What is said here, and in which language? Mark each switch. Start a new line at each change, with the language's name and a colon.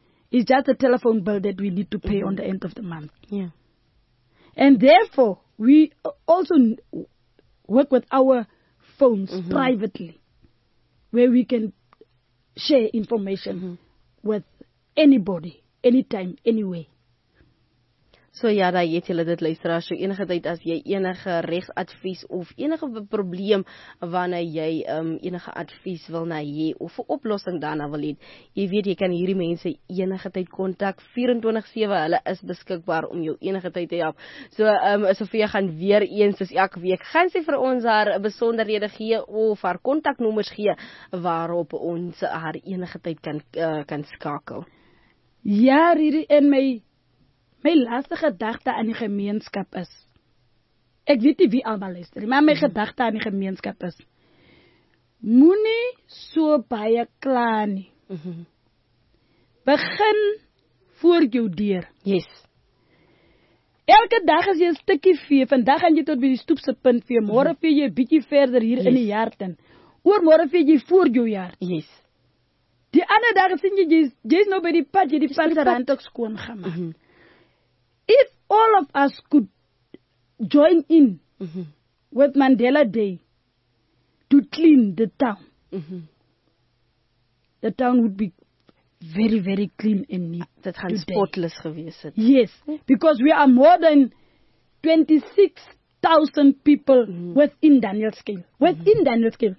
English: It's just a telephone bill that we need to pay on the end of the month. Yeah. And therefore, we also work with our phones privately, where we can share information with anybody, anytime, anywhere.
Afrikaans: So ja, daar het julle dit luisteraars, so enige tyd as jy enige regsadvies of enige probleem wanneer jy enige advies wil na jy of 'n oplossing daarna wil het, jy weet jy kan hierdie mense enige tyd kontak, 24/7, hulle is beskikbaar om jou enige tyd te help. So Sofia gaan weer eens, soos elke week, gaan sy vir ons haar besonderhede gee of haar kontaknommers gee waarop ons haar enige tyd kan skakel. Ja, Riri en my. My laaste gedagte aan die gemeenskap is, ek weet nie wie allemaal luister, maar my gedagte aan die gemeenskap is, moenie so baie klaar nie. Begin voor jou deur.
English: Yes.
Afrikaans: Elke dag is jy een stukkie vee, vandag gaan jy tot by die stoepse punt vee, morgen vee jy een bietjie verder hier in die jaart in. Oor morgen vee jy voor jou jaart.
English: Yes.
Afrikaans: Die ander dag sien jy, jy is nou by die pad, jy die panserand ook skoon gemaakt.
English: If all of us could join in with Mandela Day to clean the town, the town would be very, very clean and neat.
Afrikaans: Dit gaan spotless gewees het.
English: Yes, because we are more than 26,000 people within Daniel's Cave. Within Daniel's Cave.